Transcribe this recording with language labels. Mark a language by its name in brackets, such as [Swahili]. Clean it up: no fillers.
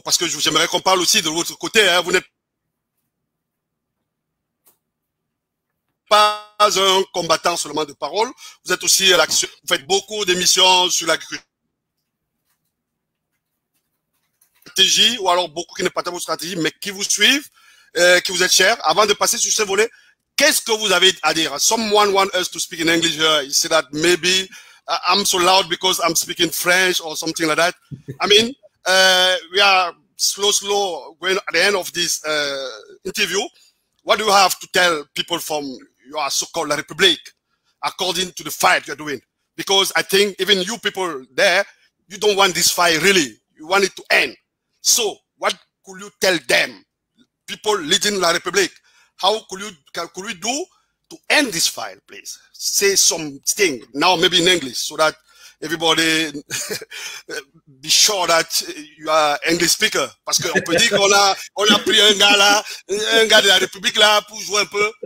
[French] Parce que j'aimerais qu'on parle aussi de l'autre côté. Hein, vous n'êtes pas un combattant seulement de parole. Vous êtes aussi à l'action. Vous faites beaucoup d'émissions sur l'agriculture. Stratégie, ou alors beaucoup qui ne partagent vos stratégies, mais qui vous suivent, qui vous êtes chers. Avant de passer sur ce volet, qu'est-ce que vous avez à dire? [English] Someone wants us to speak in English. You say that maybe I'm so loud because I'm speaking French or something like that. I mean, we are slow going at the end of this interview. What do you have to tell people from your so-called La République, according to the fight you're doing? Because I think even you people there, you don't want this fight really. You want it to end. So what could you tell them, people leading La République? How could we do to end this fight, please? Say something now, maybe in English, so that everybody be sure that you are English speaker. [French] Parce qu'on peut dire qu'on a pris un gars là, un gars de la République là, pour jouer un peu.